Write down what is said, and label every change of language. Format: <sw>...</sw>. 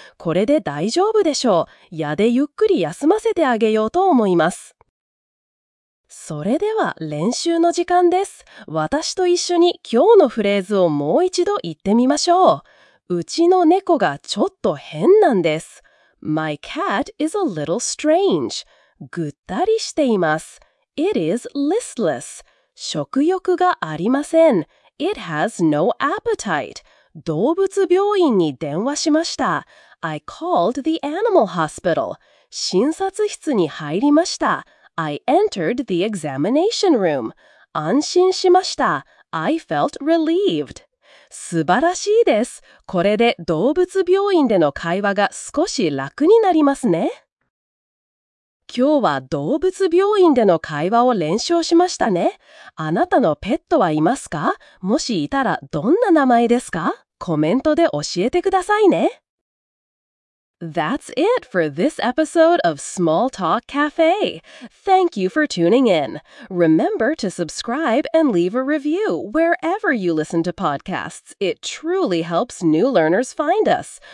<ja>これで大丈夫でしょう。矢でゆっくり休ませてあげようと思います。それでは練習の時間です。私と一緒に今日のフレーズをもう一度言ってみましょう。うちの猫がちょっと変なんです。</ja> <en>My cat is a little strange.</en> <ja>ぐったりしています。</ja> <en>It is listless.</en> <ja>食欲がありません。</ja> <en>It has no appetite.</en> <ja>動物病院に電話しました。</ja> <en>I called the animal hospital.</en> <ja>診察室に入りました。</ja> <en>I entered the examination room.</en> <ja>安心しました。</ja> <en>I felt relieved.</en> <ja>素晴らしいです。これで動物病院での会話が少し楽になりますね。今日は動物病院での会話を練習しましたね。あなたのペットはいますか？もしいたらどんな名前ですか？コメントで教えてくださいね。</ja> <en>That's it for this episode of Small Talk Cafe. Thank you for tuning in. Remember to subscribe and leave a review wherever you listen to podcasts. It truly helps new learners find us.</en>